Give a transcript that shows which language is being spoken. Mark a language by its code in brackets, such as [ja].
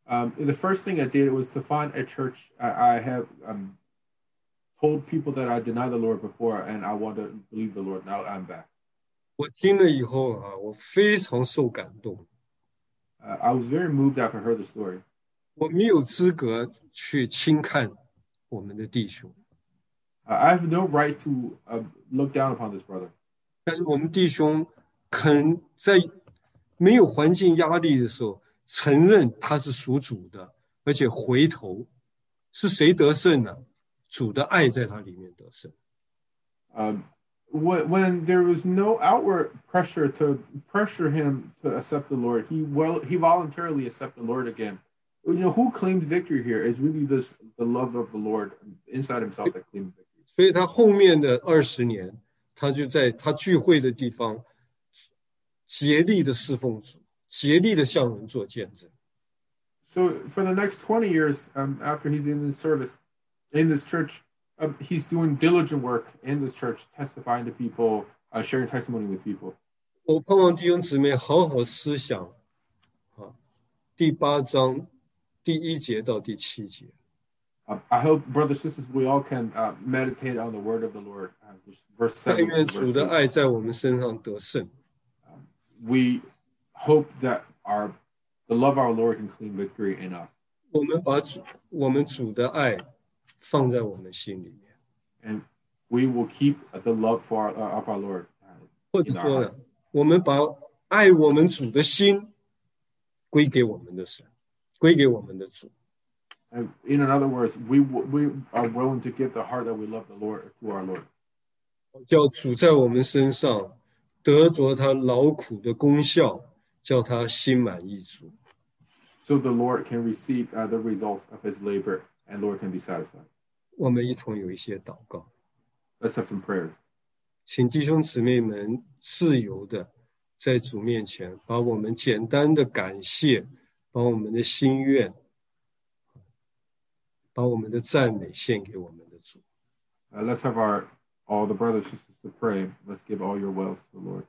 [en] The first thing I did was to find a church I have... told people that I denied the Lord before and I want to believe the Lord. Now I'm back. [zh] 我听了以后啊，我非常受感动。 [en] I was very moved after I heard the story. [zh] 我没有资格去轻看我们的弟兄。 [en] I have no right to look down upon this brother. [zh] 但是我们弟兄肯在没有环境压力的时候承认他是属主的，而且回头，是谁得胜呢？主的爱在他里面得胜。 [en] When there was no outward pressure to pressure him to accept the Lord, he voluntarily accepted the Lord again. You know, who claims victory here is really this the love of the Lord inside himself that claims victory. [zh] 所以他后面的20年，他就在他聚会的地方竭力的侍奉主，竭力的向人做见证。 [en] So for the next 20 years, after he's in the service, in this church, he's doing diligent work in this church, testifying to people, sharing testimony with people. [zh] 我盼望弟兄姊妹好好思想，第八章第一节到第七节。 [en] I hope, brothers and sisters, we all can meditate on the word of the Lord. Verse 7. [zh] 但愿主的爱在我们身上得胜。 [en] We hope that the love of our Lord can claim victory in us. [zh] 我们主的爱放在我们心里面。 [en] And we will keep the love for of our Lord. [zh] 或者说呢，我们把爱我们主的心归给我们的神，归给我们的主。 [en] And in other words, we are willing to give the heart that we love the Lord to our Lord. [zh] 叫主在我们身上得着他劳苦的功效，叫他心满意足。 [en] So the Lord can receive the results of his labor, and Lord can be satisfied. [zh] 我们一同有一些祷告。 [en] Let's have some prayer. [zh] 请弟兄姊妹们自由的在主面前，把我们简单的感谢，把我们的心愿，把我们的赞美献给我们的主。 [en] Let's have all the brothers and sisters to pray. Let's give all your wealth to the Lord.